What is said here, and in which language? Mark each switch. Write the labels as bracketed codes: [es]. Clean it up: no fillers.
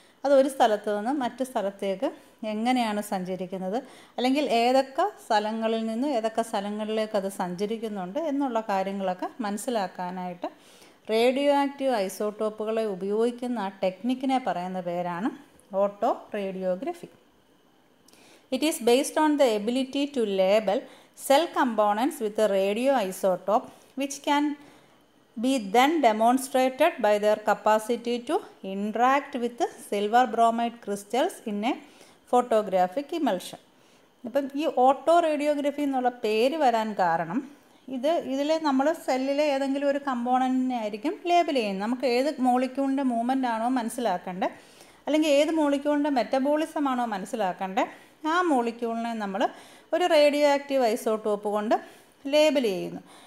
[ml] അത് ഒരു സ്ഥലത്ത് നിന്ന് മറ്റു സ്ഥലത്തേക്ക് എങ്ങനെയാണ് സഞ്ചരിക്കുന്നത്, അല്ലെങ്കിൽ ഏതൊക്കെ സ്ഥലങ്ങളിൽ നിന്ന് ഏതൊക്കെ സ്ഥലങ്ങളിലേക്ക് അത് സഞ്ചരിക്കുന്നുണ്ട് എന്നുള്ള കാര്യങ്ങളൊക്കെ മനസ്സിലാക്കാനായിട്ട് റേഡിയോ ആക്റ്റീവ് ഐസോട്ടോപ്പുകളെ ഉപയോഗിക്കുന്ന ആ ടെക്നിക്കിനെ പറയുന്ന പേരാണ് auto radiography. [en] It is based on the ability to label cell components with a radio isotope which can be then demonstrated by their capacity to interact with the silver bromide crystals in a photographic emulsion. [ml] ഇപ്പം ഈ auto radiography എന്നുള്ള പേര് വരാൻ കാരണം ഇത് ഇതിലെ നമ്മൾ സെല്ലിലെ ഏതെങ്കിലും ഒരു കമ്പോണൻറ്റിനെ ആയിരിക്കും ലേബൽ ചെയ്യുന്നത്. നമുക്ക് ഏത് മോളിക്യൂളിൻ്റെ മൂവ്മെൻ്റ് ആണോ മനസ്സിലാക്കേണ്ടത്, അല്ലെങ്കിൽ ഏത് മോളിക്യൂളിൻ്റെ മെറ്റബോളിസം ആണോ മനസ്സിലാക്കേണ്ടത്, ആ മോളിക്യൂളിനെ നമ്മൾ ഒരു റേഡിയോ ആക്റ്റീവ് ഐസോട്ടോപ്പ് കൊണ്ട് ലേബിൾ ചെയ്യുന്നു.